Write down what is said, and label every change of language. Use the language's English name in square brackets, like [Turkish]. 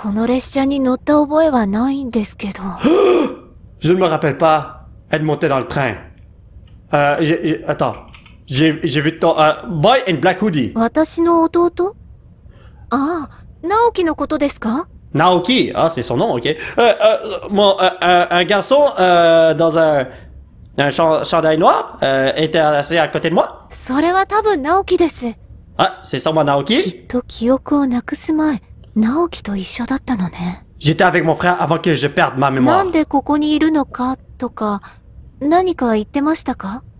[Japanese] この列車に乗った覚えはないんですけど。 [French] Je ne me rappelle pas être monté dans le train. Attends. J'ai vu ton, [English] boy in black hoodie. [Japanese] 私の弟？ああ、ナオキのことですか？ [French] ナオキ、ah, c'est son nom, ok. Un garçon, dans un chandail noir, était assis à côté de moi. [Japanese] それは多分ナオキです。 [French] Ah, c'est sûrement ナオキ？ [Japanese] きっと記憶をなくす前、ナオキと一緒だったのね。 [French] J'étais avec mon frère avant que je perde ma mémoire. [Japanese] なんでここにいるのか、とか、何か言ってましたか？